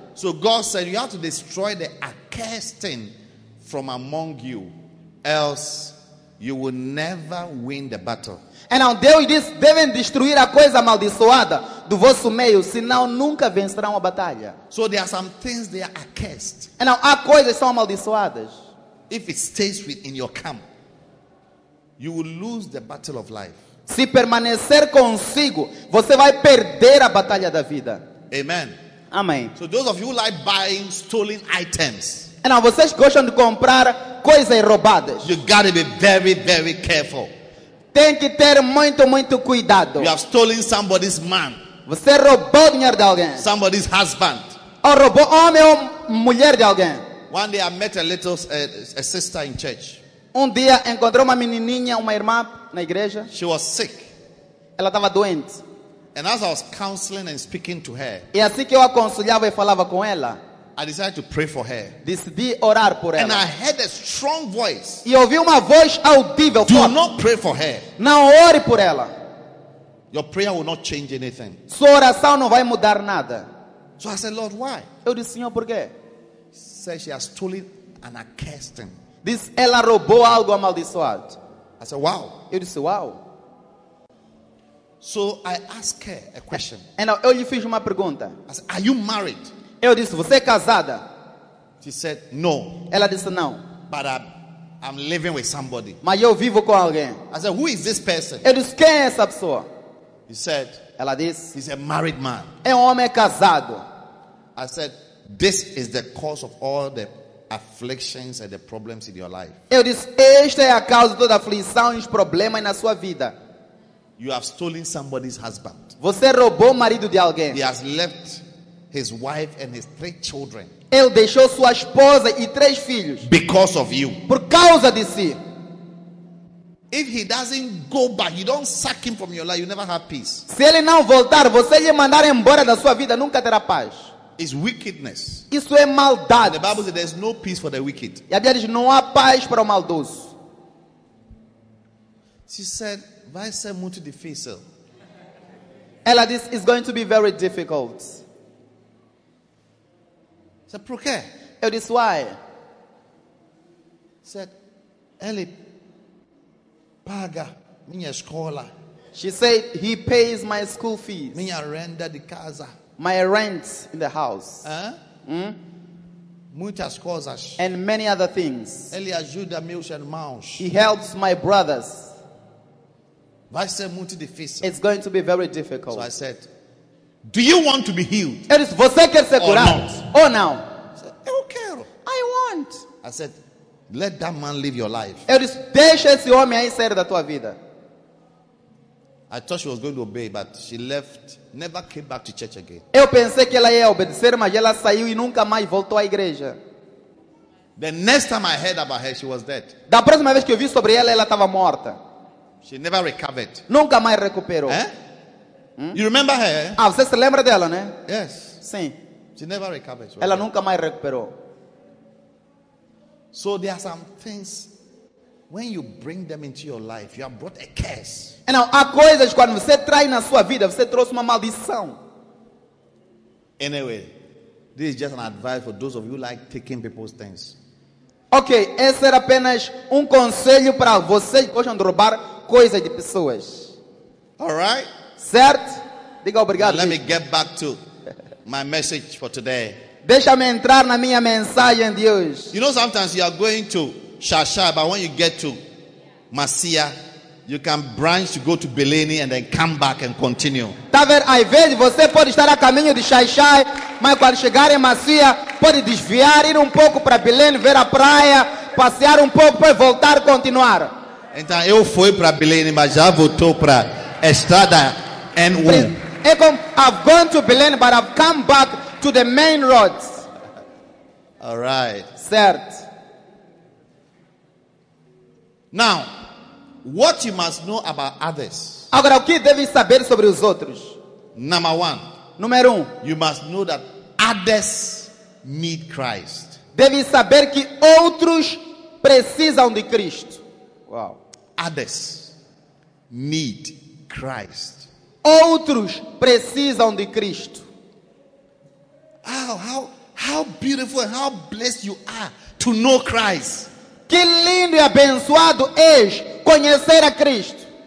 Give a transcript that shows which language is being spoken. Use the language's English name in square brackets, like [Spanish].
[English] So God said, you have to destroy the accursed thing from among you, else you will never win the battle. [Portuguese] Então Deus disse, devem destruir a coisa amaldiçoada do vosso meio, senão nunca vencerão a batalha. [English] So there are some things that are accursed. [Portuguese] Então há coisas que são amaldiçoadas. [English] If it stays within your camp, you will lose the battle of life. [Portuguese] Se permanecer consigo, você vai perder a batalha da vida. [English] Amen. [Portuguese] Amém. [English] So those of you who like buying stolen items. [Portuguese] Então vocês gostam de comprar coisas roubadas. [English] You gotta be very, very careful. [Portuguese] Tem que ter muito, muito cuidado. [English] You have stolen somebody's man. [Portuguese] Você roubou dinheiro de alguém. [English] Somebody's husband. [Portuguese] Ou roubou homem ou mulher de alguém. [English] One day I met a sister in church. [Portuguese] Dia encontrou uma menininha, uma irmã na igreja. [English] She was sick. [Portuguese] Ela estava doente. [English] And as I was counseling and speaking to her, [Portuguese] e assim que eu aconselhava e falava com ela, [English] I decided to pray for her. [Portuguese] Decidi orar por ela. [English] And I heard a strong voice. [Portuguese] E ouvi uma voz audível. [English] Do not pray for her. [Portuguese] Não ore por ela. [English] Your prayer will not change anything. [Portuguese] Sua oração não vai mudar nada. [English] So I said, Lord, why? [Portuguese] Eu disse, Senhor, por quê? [English] Says she has stolen an accursed thing. [Portuguese] This ela roubou algo amaldiçoado. [English] I said, wow. [Portuguese] Eu disse, wow. [English] So I asked her a question. And now [Portuguese] eu lhe fiz uma pergunta. [English] I said, are you married? [Portuguese] Eu disse, você é casada? [English] She said, no. [Portuguese] Ela disse, não. [English] But I'm living with somebody. [Portuguese] Mas eu vivo com alguém. [English] I said, who is this person? [Portuguese] Eu disse, quem é essa pessoa? [English] He said, [Portuguese] ela disse, [English] he's a married man. [Portuguese] É um homem casado. [English] I said, this is the cause of all the afflictions and the problems in your life. [Portuguese] Eu disse, esta é a causa de toda a aflição e os problemas na sua vida. [English] You have stolen somebody's husband. [Portuguese] Você roubou o marido de alguém. [English] He has left his wife and his three children. [Portuguese] Ele deixou sua esposa e três filhos. [English] Because of you. [Portuguese] Por causa de si. [English] If he doesn't go back, you don't sack him from your life, you never have peace. [Portuguese] Se ele não voltar, você lhe mandar embora da sua vida, nunca terá paz. [English] Is wickedness. [Portuguese] Isso é maldade. [English] The Bible says there's no peace for the wicked. [Portuguese] E a Bíblia diz, não há paz para o maldoso. [English] She said, [Portuguese] vai ser muito difícil. Ela disse, [English] it's going to be very difficult. She said, [Portuguese] por quê? Eu disse, [English] why? She said, [Portuguese] ele paga minha escola. [English] She said, he pays my school fees. [Portuguese] Minha renda de casa. [English] My rent in the house. [Portuguese] Muitas coisas. [English] And many other things. [Portuguese] Ele ajuda meus irmãos. [English] He helps my brothers. [Portuguese] Vai ser muito difícil. [English] It's going to be very difficult. So I said, do you want to be healed? [Portuguese] Eres você quer ser curado? [English] Or [Portuguese] não? Eu quero. [English] I want. I said, let that man live your life. [Portuguese] Eres deixa esse homem aí sair da tua vida. [English] I thought she was going to obey, but she left, never came back to church again. [Portuguese] Eu pensei que ela ia obedecer, mas ela saiu e nunca mais voltou à igreja. [English] The next time I heard about her, she was dead. [Portuguese] Da próxima vez que eu vi sobre ela, ela estava morta. [English] She never recovered. [Portuguese] Nunca mais recuperou. [English] Eh? You remember her? [Portuguese] Ah, você se lembra dela, né? [English] Yes. [Portuguese] Sim. [English] She never recovered. She [Portuguese] ela nunca mais recuperou. [English] So there are some things when you bring them into your life, you have brought a curse. And now, [Portuguese] há coisas quando você traz na sua vida, você trouxe uma maldição. [English] Anyway, this is just an advice for those of you who like taking people's things. [Portuguese] Ok, esse era apenas conselho para vocês que gostam de roubar coisas de pessoas. [English] All right. [Portuguese] Certo? Diga obrigado. [English] Let me get back to my message for today. [Portuguese] Deixa-me entrar na minha mensagem de hoje. [English] You know, sometimes you are going to Shasha, but when you get to Masia, you can branch to go to Beleni and then come back and continue. [Portuguese] Tá vendo? Às vezes você pode estar a caminho de Shasha, mas quando chegar em Masia, pode desviar, ir pouco para Beleni, ver a praia, passear pouco, depois voltar e continuar. Então eu fui para Beleni, mas já voltou para estrada N1. É como, [English] I've gone to Beleni, but I've come back to the main roads. All right. [Portuguese] Certo. [English] Now, what you must know about others. [Portuguese] Agora, o que deve saber sobre os outros? [English] Number one. [Portuguese] Número [English] you must know that others need Christ. [Portuguese] Deve saber que outros precisam de Cristo. Wow. [English] Others need Christ. [Portuguese] Outros precisam de Cristo. [English] Oh, how beautiful and how blessed you are to know Christ. [Portuguese] Que lindo e abençoado és conhecer a Cristo.